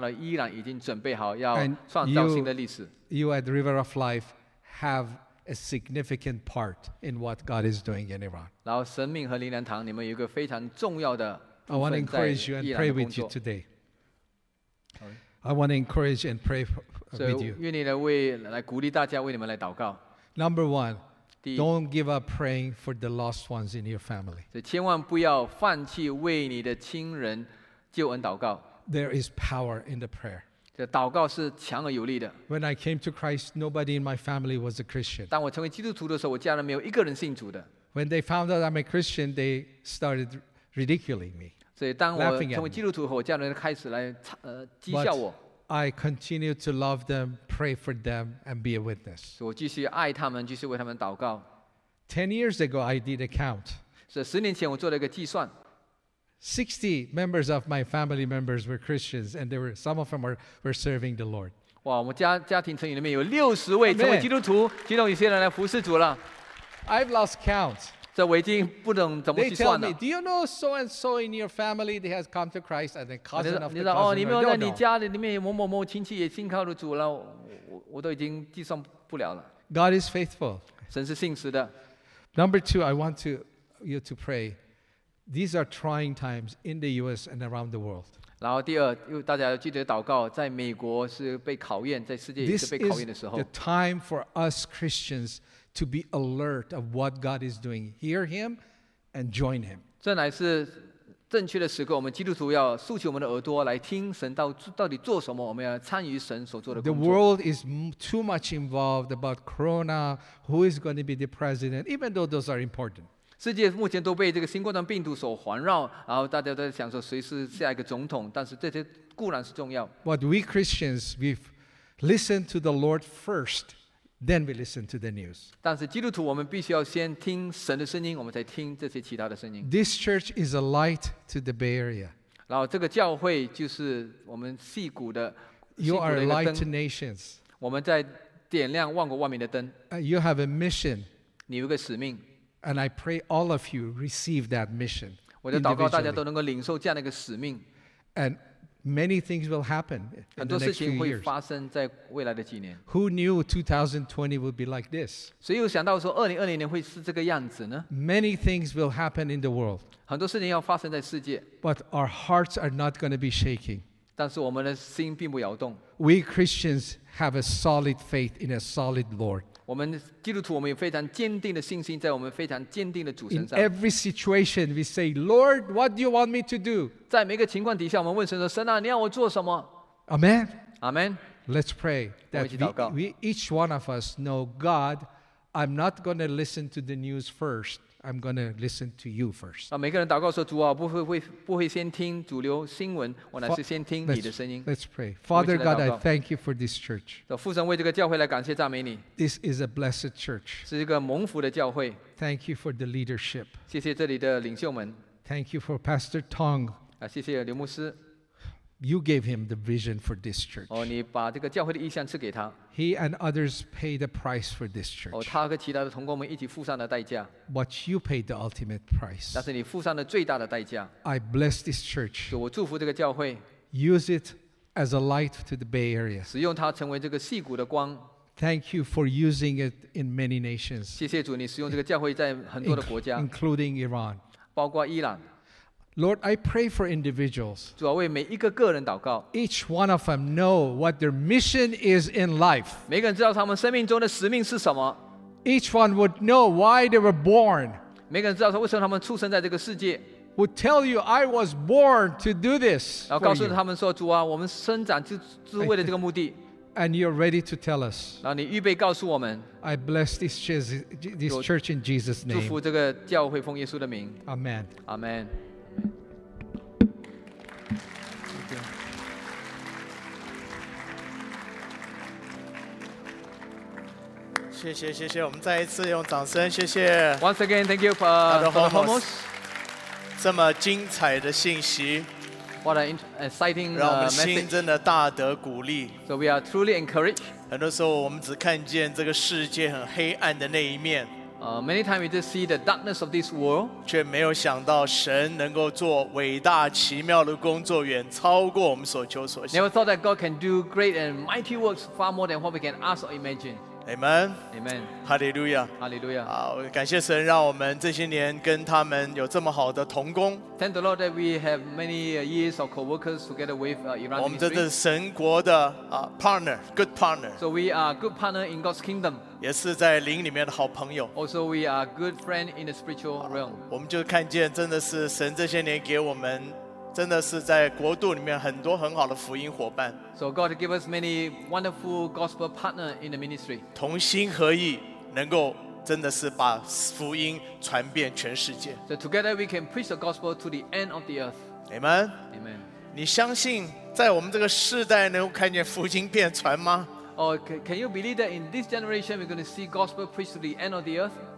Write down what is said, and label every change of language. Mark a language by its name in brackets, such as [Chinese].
[Chinese] 所以当历史在创造的时候呢，看到伊朗已经准备好要创造新的历史。 [English] You at the River of Life have a significant part in what God is doing in Iran. [Chinese] 然后神明和灵粮堂, 你们有一个非常重要的, [English] I want to encourage you and pray with you today. I want to encourage and pray with you. [Chinese] 愿你来为, 来鼓励大家, 为你们来祷告。 [English] Number one, Don't give up praying for the lost ones in your family. [Chinese] 千万不要放弃为你的亲人救恩祷告。 [English] There is power in the prayer. [Chinese] 这祷告是强而有力的。 [English] When I came to Christ, nobody in my family was a Christian. [Chinese] 当我成为基督徒的时候，我家人没有一个人信主的。 [English] When they found out I'm a Christian, they started ridiculing me. [Chinese] 所以当我成为基督徒后，我家人开始来讥笑我。 [English] I continue to love them, pray for them, and be a witness. [Chinese] 我继续爱他们，继续为他们祷告。 [English] 10 years ago, I did a count. [Chinese] 是十年前我做了一个计算。 [English] 60 members of my family members were Christians, and there were some of them were serving the Lord. [Chinese] 哇，我们家庭成员里面有60位成为基督徒，其中有些人来服侍主了。 [English] I've lost count. [Chinese] 这我已经不懂怎么去算了。 [English] They tell me, "Do you know so and so in your family that has come to Christ as a cousin of the cousin?" [Chinese] 你说哦，你没有在你家里面某某某亲戚也信靠了主了，我都已经计算不了了。 [English] God is faithful. [Chinese] 神是信实的。 [English] Number two, I want you to pray. These are trying times in the U.S. and around the world. [Chinese] 然后第二，又大家要记得祷告，在美国是被考验，在世界也是被考验的时候。 [English] This is the time for us Christians. To be alert of what God is doing, hear Him, and join Him. [Chinese] 这乃是正确的时刻。我们基督徒要竖起我们的耳朵来听神到底做什么。我们要参与神所做的工作。 [English] The world is too much involved about Corona, who is going to be the president, even though those are important. [Chinese] 世界目前都被这个新冠状病毒所环绕，然后大家都在想说谁是下一个总统。但是这些固然是重要。 [English] But we Christians, we've listened to the Lord first. Then we listen to the news. [Chinese] 但是基督徒，我们必须要先听神的声音，我们才听这些其他的声音。 [English] This church is a light to the Bay Area. [Chinese] 然后这个教会就是我们矽谷的。 [English] You are a light to nations. [Chinese] 我们在点亮万国万民的灯。 [English] You have a mission. [Chinese] 你有个使命。 [English] And I pray all of you receive that mission. [Chinese] 我的祷告，大家都能够领受这样的一个使命。 [English] And Many things will happen in the next few years. [Chinese] 很多事情会发生在未来的几年。 [English] Who knew 2020 would be like this? [Chinese] 谁有想到说2020年会是这个样子呢？ [English] Many things will happen in the world. [Chinese] 很多事情要发生在世界。 [English] But our hearts are not going to be shaking. [Chinese] 但是我们的心并不摇动。 [English] We Christians have a solid faith in a solid Lord. [Chinese] 我们基督徒，我们有非常坚定的信心在我们非常坚定的主身上。 [English] In every situation, we say, "Lord, what do you want me to do?" [Chinese] 在每个情况底下，我们问神说：“神啊，你要我做什么？” [English] Amen. Amen. Let's pray that we each one of us know God. I'm not going to listen to the news first. I'm going to listen to you first. [Chinese] 啊，每个人祷告说：“主啊，不会先听主流新闻，我乃是先听你的声音。” [English] Let's pray. Father God, I thank you for this church. [Chinese] 父神为这个教会来感谢赞美你。 [English] This is a blessed church. [Chinese] 是一个蒙福的教会。 [English] Thank you for the leadership. [Chinese] 谢谢这里的领袖们。 [English] Thank you for Pastor Tong. [Chinese] 谢谢刘牧师。 [English] You gave him the vision for this church. [Chinese] 哦，你把这个教会的意向赐给他。 [English] He and others paid the price for this church. [Chinese] 哦，他和其他的同工们一起付上了代价。 [English] But you paid the ultimate price. [Chinese] 但是你付上了最大的代价。 [English] I bless this church. [Chinese] 我祝福这个教会。 [English] Use it as a light to the Bay Area. [Chinese] 使用它成为这个矽谷的光。 [English] Thank you for using it in many nations. [Chinese] 谢谢主，你使用这个教会在很多的国家， [English] including Iran. [Chinese] 包括伊朗。 [English] Lord, I pray for individuals. [Chinese] 主啊，为每一个个人祷告。 [English] Each one of them know what their mission is in life. [Chinese] 每个人知道他们生命中的使命是什么。 [English] Each one would know why they were born. [Chinese] 每个人知道说为什么他们出生在这个世界。 [English] Would tell you, "I was born to do this." [Chinese] 然后告诉他们说，主啊，我们生长就是为了这个目的。 [English] And you're ready to tell us. [Chinese] 然后你预备告诉我们。 [English] I bless this church in Jesus' name. [Chinese] 祝福这个教会，奉耶稣的名。 [English] Amen. Amen. [Chinese] 谢谢谢谢，我们再一次用掌声，谢谢。 [English] Once again, thank you for the homos. [Chinese] 这么精彩的信息 [English] ，What an exciting message! [Chinese] 让我们心真的大得鼓励。 [English] So we are truly encouraged. [Chinese] 很多时候我们只看见这个世界很黑暗的那一面。 [English] Many times we just see the darkness of this world. [Chinese] 却没有想到神能够做伟大奇妙的工作，远超过我们所求所想。 [English] Never thought that God can do great and mighty works far more than what we can ask or imagine. Amen. Amen. Hallelujah. Hallelujah. [Chinese] 好，感谢神，让我们这些年跟他们有这么好的同工。 [English] Thank the Lord that we have many years of co-workers together with Iran. [Chinese] 我们真的是神国的partner, [English] good partner. So we are good partner in God's kingdom. [Chinese] 也是在灵里面的好朋友。 [English] Also we are good friend in the spiritual realm. [Chinese] 我们就看见，真的是神这些年给我们，真的是在国度里面很多很好的福音伙伴。 [English] So God give us many wonderful gospel partner in the ministry. [Chinese] 同心合意，能够真的是把福音传遍全世界。 [English] So together we can preach the gospel to the end of the earth. Amen. Amen. [Chinese] 你相信在我们这个世代能够看见福音遍传吗？ [English] Oh, can you believe that in this generation we're going to see gospel preached to the end of the earth?